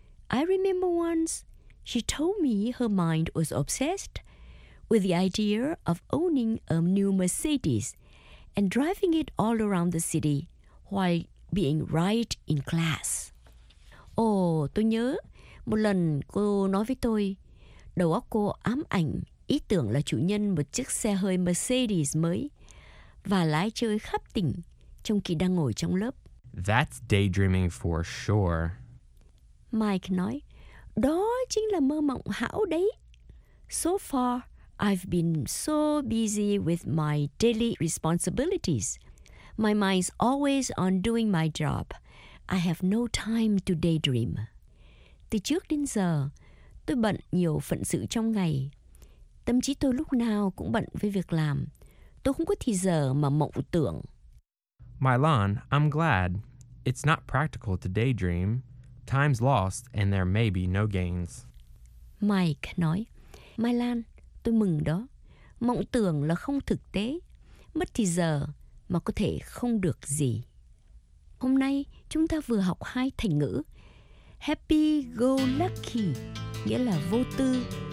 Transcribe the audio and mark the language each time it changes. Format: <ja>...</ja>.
<en>I remember once she told me her mind was obsessed with the idea of owning a new Mercedes and driving it all around the city while being right in class.</en> <vi>Oh, tôi nhớ một lần cô nói với tôi, đầu óc cô ám ảnh ý tưởng là chủ nhân một chiếc xe hơi Mercedes mới và lái chơi khắp tỉnh trong khi đang ngồi trong lớp.</vi> <en>That's daydreaming for sure.</en> <vi>Mike nói, đó chính là mơ mộng hão đấy.</vi> <en>So far, I've been so busy with my daily responsibilities. My mind's always on doing my job. I have no time to daydream.</en> <vi>Từ trước đến giờ, tôi bận nhiều phận sự trong ngày. Tâm trí tôi lúc nào cũng bận với việc làm. Tôi không có thì giờ mà mộng tưởng.</vi> <en>Mylon, I'm glad. It's not practical to daydream. Time's lost and there may be no gains.</en> <vi>Mike nói, Mai Lan, tôi mừng đó. Mộng tưởng là không thực tế. Mất thì giờ mà có thể không được gì. Hôm nay chúng ta vừa học hai thành ngữ. Happy go lucky nghĩa là vô tư.</vi>